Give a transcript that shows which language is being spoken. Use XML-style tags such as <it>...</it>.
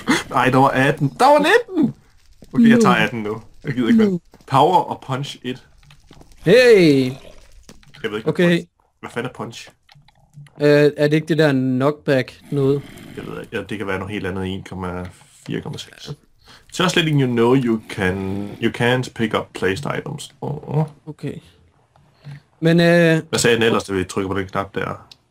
<da>Ej, der var 18. Der var 19! Okay, jeg tager 18 nu. Jeg gider ikke. Power og punch 1. Hey! Jeg ved ikke, hvad okay. Hvad fanden er punch? Er det ikke det der knockback noget? Jeg ved ikke. Ja, det kan være noget helt andet. 1,4,6.</da> <en>Ja. Just letting you know, you can't pick up placed items.</en> <da>Okay. Men hvad sagde den ellers, da vi trykker på den knap der?</da>